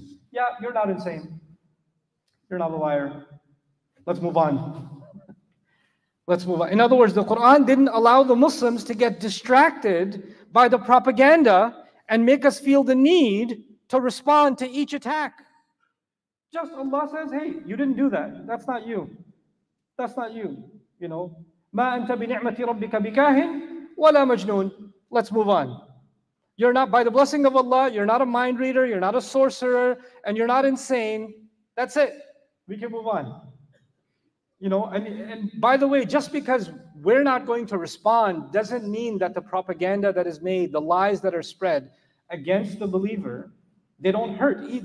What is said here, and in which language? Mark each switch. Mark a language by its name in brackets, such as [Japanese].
[English] Yeah, you're not insane. You're not a liar. Let's move on. Let's move on. In other words, the Quran didn't allow the Muslims to get distracted by the propaganda and make us feel the need to respond to each attack. Just Allah says, hey, you didn't do that. That's not you. That's not you. You know, [Arabic] مَا أَنْتَ بِنِعْمَةِ رَبِّكَ بِكَاهِنْ وَلَا مَجْنُونَ. [English] Let's move on. You're not, by the blessing of Allah, you're not a mind reader, you're not a sorcerer, and you're not insane. That's it. We can move on. You know, and by the way, just because we're not going to respond doesn't mean that the propaganda that is made, the lies that are spread against the believer, they don't hurt.